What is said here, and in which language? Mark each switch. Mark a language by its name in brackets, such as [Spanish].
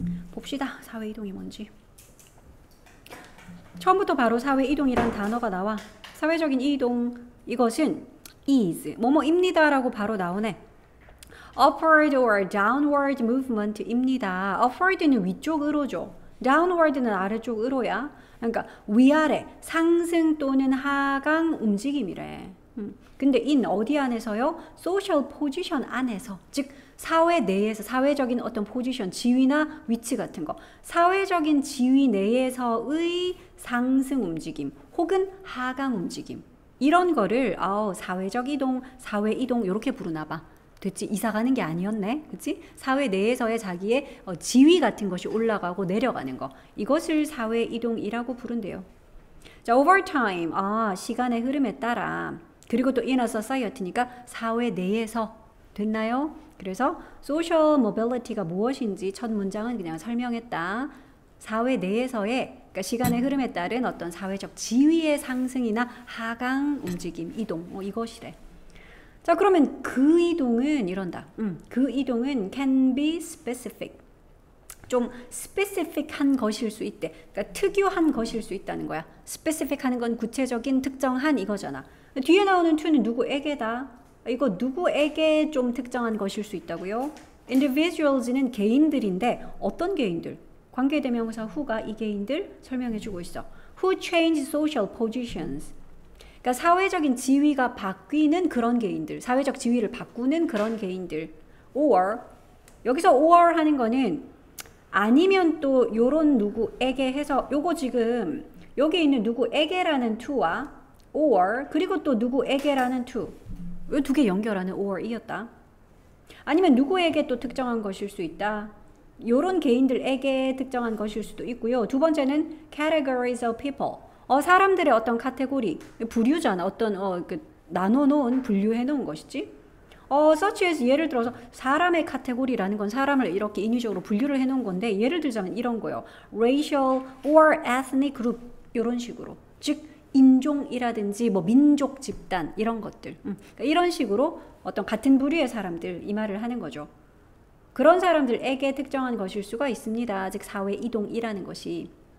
[Korean] 봅시다. 사회 이동이 뭔지. 처음부터 바로 사회 이동이란 단어가 나와. 사회적인 이동, 이것은 is, 뭐뭐입니다라고 바로 나오네. [English] Upward or downward movement [Korean] 입니다. Upward는 위쪽으로죠. Downward는 아래쪽으로야. 그러니까 위아래, 상승 또는 하강 움직임이래. 근데 in 어디 안에서요? [English] social position [Korean] 안에서. 즉 사회 내에서 사회적인 어떤 포지션, 지위나 위치 같은 거. 사회적인 지위 내에서의 상승 움직임 혹은 하강 움직임. 이런 거를 사회적 이동, 사회 이동 이렇게 부르나 봐. 됐지? 이사 가는 게 아니었네. 그치? 사회 내에서의 자기의 지위 같은 것이 올라가고 내려가는 거. 이것을 사회 이동이라고 부른대요. 자, [English] over time. [Korean] 시간의 흐름에 따라. 그리고 또 [English] in a society [Korean] 니까 사회 내에서. 됐나요? 그래서 social mobility가 무엇인지 첫 문장은 그냥 설명했다. 사회 내에서의, 그러니까 시간의 흐름에 따른 어떤 사회적 지위의 상승이나 하강 움직임, 이동. 이것이래. 자, 그러면 그 이동은 이런다. 그 이동은 [English] can be specific. [Korean] 좀 specific한 것일 수 있대. 그러니까 특유한 것일 수 있다는 거야. specific 하는 건 구체적인, 특정한 이거잖아. 뒤에 나오는 to는 누구에게다? 이거 누구에게 좀 특정한 것일 수 있다고요? individuals는 개인들인데, 어떤 개인들? 관계대명사 who가 이 개인들 설명해주고 있어. [English] who changed social positions? [Korean] 그러니까 사회적인 지위가 바뀌는 그런 개인들, 사회적 지위를 바꾸는 그런 개인들. or 여기서 or 하는 거는 아니면 또 요런 누구에게 해서, 요거 지금 여기 있는 누구에게라는 to와 or, 그리고 또 누구에게라는 to. 이두개 연결하는 or 이었다. 아니면 누구에게 또 특정한 것일 수 있다. 요런 개인들에게 특정한 것일 수도 있고요. 두 번째는 [English] categories of people. [Korean] 사람들의 어떤 카테고리, 부류잖아. 어떤 나눠 놓은, 분류해 놓은 것이지. [English] such as [Korean] 예를 들어서 사람의 카테고리라는 건 사람을 이렇게 인위적으로 분류를 해 놓은 건데, 예를 들자면 이런 거요. [English] racial or ethnic group [Korean] 이런 식으로. 즉 인종이라든지 뭐 민족 집단 이런 것들. 이런 식으로 어떤 같은 부류의 사람들 이 말을 하는 거죠. 그런 사람들에게 특정한 것일 수가 있습니다. 즉 사회 이동이라는 것이.